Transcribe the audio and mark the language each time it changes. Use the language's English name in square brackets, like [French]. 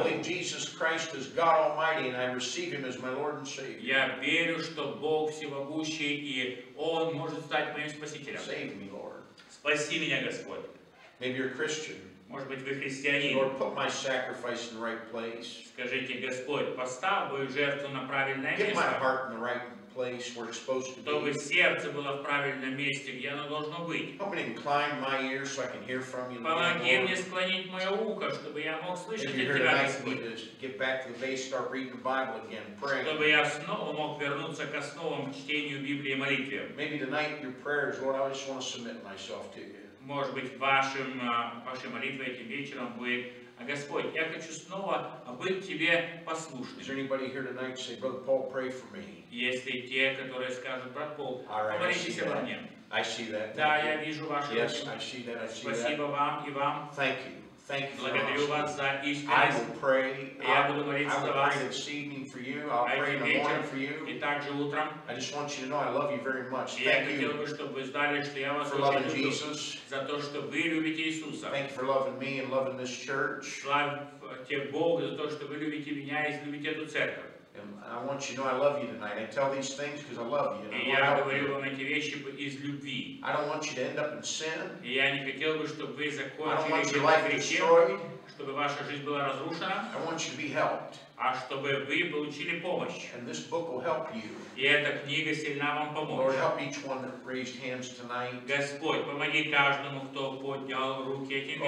[English] I believe Jesus Christ is God Almighty, and I receive Him as my Lord and Savior. [Russian] Я верю, что Бог всемогущий, и Он может стать моим спасителем. [English] Save me, Lord. [Russian] Спаси меня, Господь. [English] Maybe you're a Christian. [Russian] Может быть, вы христианин. [English] Lord, put my sacrifice in the right place. [Russian] Скажите, Господь, поставь мою жертву на правильное место. [English] Get my heart in the right place where it's supposed to be. [Russian] Чтобы сердце было в правильном месте, где оно должно быть. [English] Help me incline my ear so I can hear from you. [Russian] Помоги мне склонить мое ухо, чтобы я мог слышать от тебя, Господь. [English] Get back to the base, start reading the Bible again, pray. [Russian] Чтобы я снова мог вернуться к основам чтению Библии и молитве. [English] Maybe tonight your prayers, Lord, I just want to submit myself to you. [Russian] Может быть, вашей молитвой этим вечером будет: Господь, я хочу снова быть Тебе послушным. [English] Is there anybody here tonight to say, Brother Paul, pray for me? [Russian] Если те, которые скажут: Брат Пол, помолитесь обо мне. [English] I see that. [Russian] Да, я вижу вашу. [English] Yes, I see that. I see that. [Russian] Спасибо вам и вам. [English] Thank you. Thank you. [Russian] Благодарю вас за искренность. [English] I will pray. [Russian] Я буду молиться за вас. [English] I will pray this evening for you. I'll pray in the morning for you. [Russian] И также утром. [English] I just want you to know I love you very much. [Russian] Я хотел бы, чтобы вы знали, что я вас очень люблю. За то, что вы любите Иисуса. [English] Thank you for loving me and loving this church. [Russian] Славьте Бога за то, что вы любите меня и любите эту церковь. [English] I want you to know I love you tonight. I tell these things because I love you. [Russian] И я говорю вам эти вещи из любви. [English] I don't want you to end up in sin. [Russian] И я не хотел бы, чтобы вы закончили. [English] I don't want your life destroyed. [Russian] Чтобы ваша жизнь была разрушена. [English] I want you to be helped. [Russian] А чтобы вы получили помощь. [English] And this book will help you. [Russian] И эта книга сильно вам поможет. [English] Lord, help each one that raised hands tonight. [Russian] Господь, помоги каждому, кто поднял руки этим вечером.